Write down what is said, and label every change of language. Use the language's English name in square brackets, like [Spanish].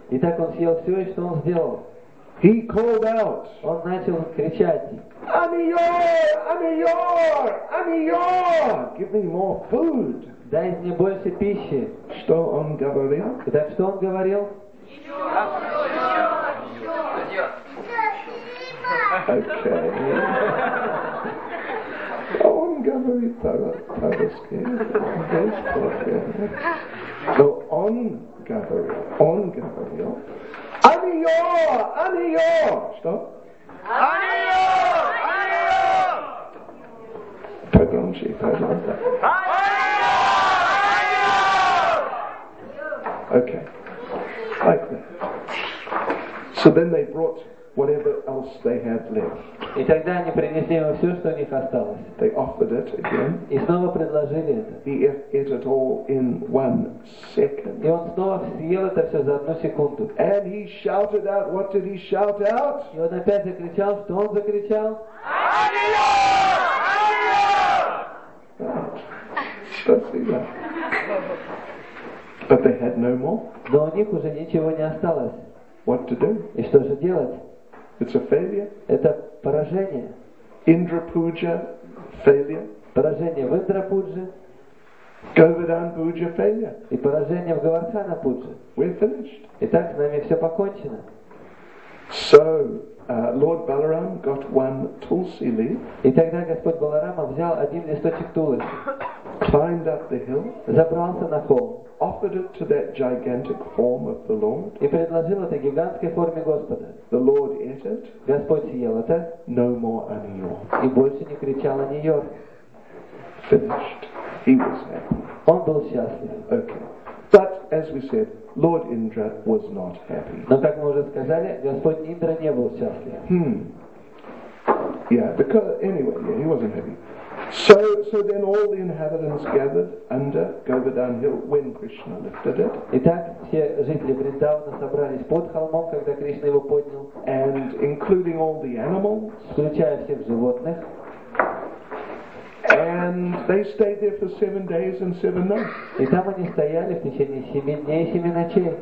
[Russian] Итак, он съел все, и что он сделал? [English] He called out. [Russian] Он начал кричать. [English] I'm your, I'm your, I'm your. Give me more food. [Russian] Дай мне больше пищи. Что он говорил? Итак, что он говорил? [English] Okay. [Russian] Он говорит по-русски. Он говорил. Анио! Анио! Что? Анио! Анио! Погромче, пожалуйста. Анио! Анио! [English] Okay. Like that. So then they brought whatever else they had left. [Russian] И тогда они принесли ему все, что у них осталось. [English] They offered it again. [Russian] И снова предложили это. [English] He ate it all in 1 second. [Russian] И он снова съел это все за одну секунду. [English] And he shouted out. What did he shout out? [Russian] И он опять закричал. Что он закричал? Алио! Алио! Спасибо. [English] But they had no more. [Russian] Но у них уже ничего не осталось. [English] What to do? [Russian] И что же делать? [English] It's a failure. [Russian] Это поражение. [English] Indra puja, failure. [Russian] Поражение в Индра пудже. [English] Govardhan puja, failure. [Russian] И поражение в Говардхана пудже. [English] We're finished. [Russian] Итак, с нами все покончено. [English] So, Lord Balaram got one tulsi leaf. [Russian] И тогда Господь Баларама взял один листочек тулы. [English] Climbed up the hill. [Russian] Забрался на холм. [English] Offered it to that gigantic form of the Lord. [Russian] И предложил это гигантской форме Господа. [English] The Lord ate it. [Russian] Господь съел это. [English] No more Anio. [Russian] И больше не кричал Анио. [English] Finished. He was happy. [Russian] Он был счастлив. [English] Okay. But as we said, Lord Indra was not happy. [Russian] Но как мы уже сказали, Господь Индра не был счастлив. [English] Yeah. Because anyway, yeah, he wasn't happy. So then all the inhabitants gathered under Govardhan Hill when Krishna lifted it. [Russian] Итак, все жители Вриндавана собрались под холмом, когда Кришна его поднял. [English] And including all the animals. [Russian] Включая всех животных. [English] And they stayed there for 7 days and 7 nights. [Russian] И там они стояли в течение 7 дней и 7 ночей.